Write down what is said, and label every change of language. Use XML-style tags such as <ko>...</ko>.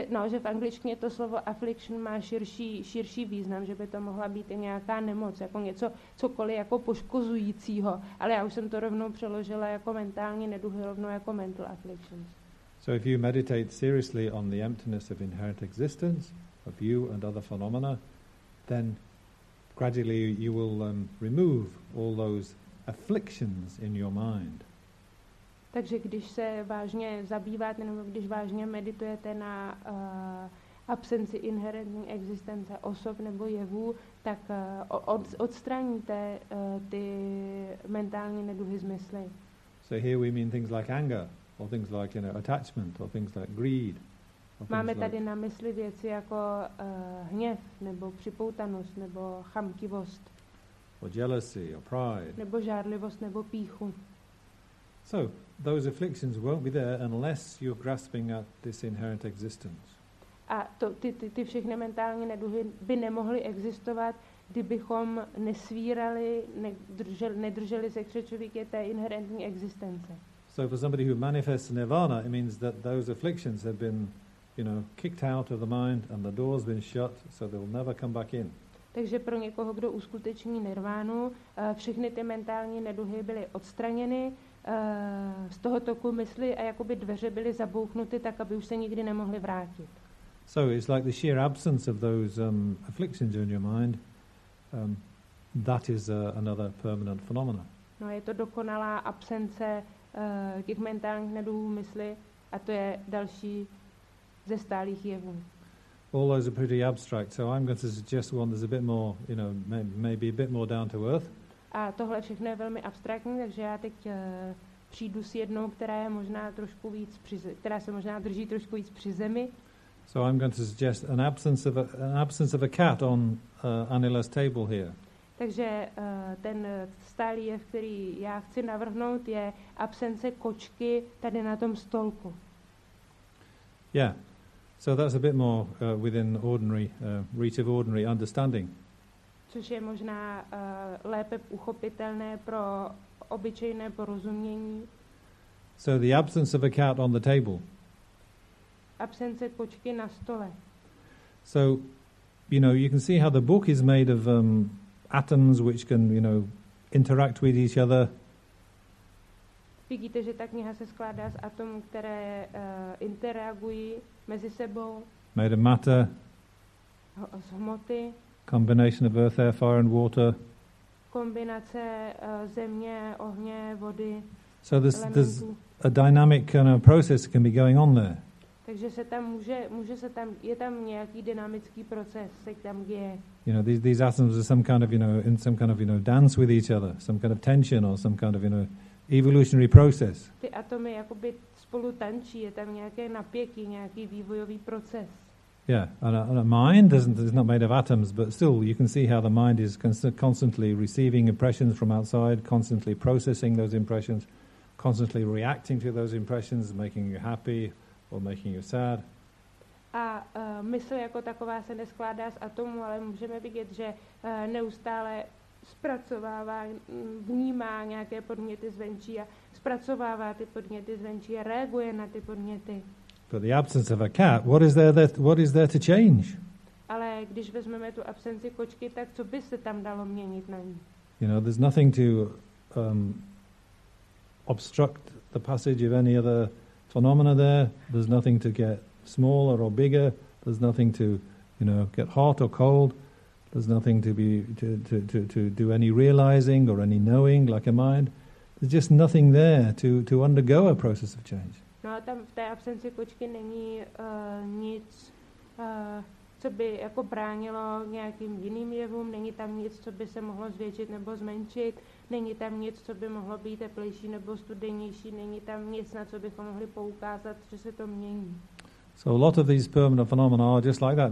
<cs>Že v angličtině to slovo affliction má širší význam, že by to mohla být i nějaká nemoc, jako něco, cokoliv jako poškozujícího, ale já už jsem to rovnou přeložila jako mentální neduhy, rovnou jako</cs> <en>mental afflictions. So if you meditate seriously on the emptiness of inherent existence, of you and other phenomena, then gradually you will remove all those afflictions in your mind.</en> <cs>Takže když se vážně zabýváte nebo když vážně meditujete na absenci inherentní existence osob nebo jevů, tak odstraníte ty mentální neduhy z mysli.</cs> <en>So here we mean things like anger or things like, you know, attachment or things like greed.</en> <cs>Máme tady na mysli věci jako hněv nebo připoutanost nebo chamtivost.</cs> <en>Or jealousy or pride.</en> <cs>Nebo žárlivost nebo píchu.</cs> <en>So those afflictions won't be there unless you're grasping at this inherent existence.</en> <cs>A to ty všechny mentální neduhy by nemohly existovat, kdybychom nesvírali, nedrželi se křečovíky té inherentní existence.</cs> <en>So for somebody who manifests nirvana, it means that those afflictions have been, you know, kicked out of the mind and the door's been shut, so they'll never come back in.</en> <cs>Takže pro někoho, kdo uskuteční nirvánu, všechny ty mentální neduhy byly odstraněny z toho toku mysli a jakoby dveře byly zabouchnuty tak, aby už se nikdy nemohly vrátit.</cs> <en>So it's like the sheer absence of those afflictions in your mind, that is another permanent phenomenon.</en> <cs>No, je to dokonalá absence těch mentálních neduhů mysli, a to je další ze stálých jevů.</cs> <en>All those are pretty abstract, so I'm going to suggest one that's a bit more, you know, maybe a bit more down to earth.</en> <cs>A tohle všechno je velmi abstraktní, takže já teď přijdu s jednou, která je možná trošku víc při, která se možná drží trošku víc při zemi.</cs> <en>So I'm going to suggest an absence of a cat on Anila's table here.</en> <cs>Takže ten stálý jev, který já chci navrhnout, je absence kočky tady na tom stolku.</cs> <en>Yeah. So that's a bit more within ordinary reach of ordinary understanding.</en> <cs>Což je možná lépe uchopitelné pro obyčejné porozumění.</cs> <en>So the absence of a cat on the table.</en> <cs>Absence kočky na stole.</cs> <en>So, you know, you can see how the book is made of atoms which can, you know, interact with each other.</en> <cs>Vidíte, že ta kniha se skládá z atomů, které interagují mezi sebou.</cs> <en>Made of matter.</en> <cs>Z hmoty.</cs> <en>Combination of earth, air, fire and water.</en> <cs>Kombinace země, ohně, vody.</cs> <en>So there's a dynamic kind of process can be going on there.</en> <cs>Takže se tam může se tam je tam nějaký dynamický proces, se tam děje.</cs> <en>You know, these atoms are some kind of, you know, in some kind of, you know, dance with each other, some kind of tension or some kind of, you know, evolutionary process.</en> <cs>Ty atomy jakoby spolu tančí, je tam nějaké napětí, nějaký vývojový proces.</cs> <en>Yeah, and a mind is not made of atoms, but still you can see how the mind is constantly receiving impressions from outside, constantly processing those impressions, constantly reacting to those impressions, making you happy or making you sad.</en> <cs>A mysl jako taková se neskládá z atomů, ale můžeme vidět, že neustále zpracovává, vnímá nějaké podněty zvenčí a zpracovává ty podněty zvenčí a reaguje na ty podněty.</cs> <en>But the absence of a cat, what is there to change?</en> <cs>Ale když vezmeme tu absenci kočky, tak co by se tam dalo měnit na ní?</cs> <en>You know, there's nothing to obstruct the passage of any other phenomena there. There's nothing to get smaller or bigger. There's nothing to, you know, get hot or cold. There's nothing to be to do any realizing or any knowing like a mind. There's just nothing there to undergo a process of change.</en> <cs>No, tam v té absenci kočky není nic, co by jako bránilo nějakým jiným jevům. Není tam nic, co by se mohlo zvětšit nebo zmenšit. Není tam nic, co by mohlo být teplejší nebo studenější. Není tam nic, na co bychom mohli poukázat, že se to mění.</cs> <en>So a lot of these permanent phenomena are just like that.</en>